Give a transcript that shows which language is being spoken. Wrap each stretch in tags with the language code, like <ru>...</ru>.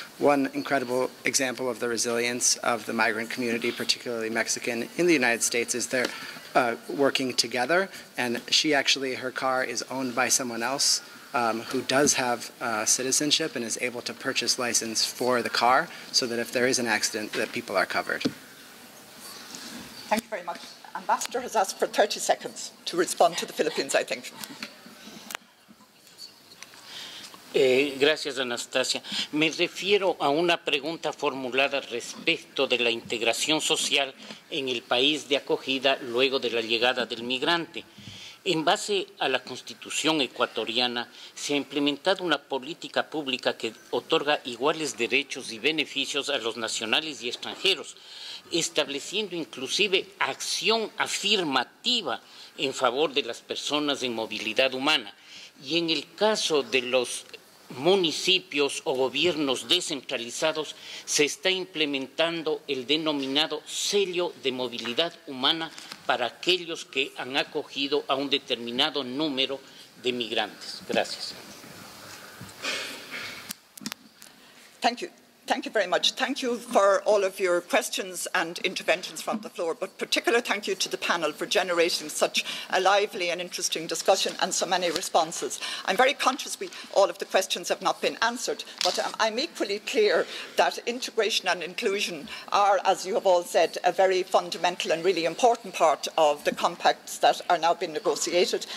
<en>One incredible example of the resilience of the migrant community, particularly Mexican, in the United States is they're working together, and she actually, her car is owned by someone else who does have citizenship and is able to purchase license for the car so that if there is an accident that people are covered. Thank you very much. Ambassador has asked for 30 seconds to respond to the Philippines, I think.</en> <es>Gracias, Anastasia. Me refiero a una pregunta formulada respecto de la integración social en el país de acogida luego de la llegada del migrante. En base a la Constitución ecuatoriana, se ha implementado una política pública que otorga iguales derechos y beneficios a los nacionales y extranjeros, estableciendo inclusive acción afirmativa en favor de las personas en movilidad humana. Y en el caso de los municipios o gobiernos descentralizados, se está implementando el denominado sello de movilidad humana para aquellos que han acogido a un determinado número de migrantes. Gracias.</es> <en>Thank you. Thank you very much. Thank you for all of your questions and interventions from the floor, but particular thank you to the panel for generating such a lively and interesting discussion and so many responses. I'm very conscious all of the questions have not been answered, but I'm equally clear that integration and inclusion are, as you have all said, a very fundamental and really important part of the compacts that are now being negotiated.</en>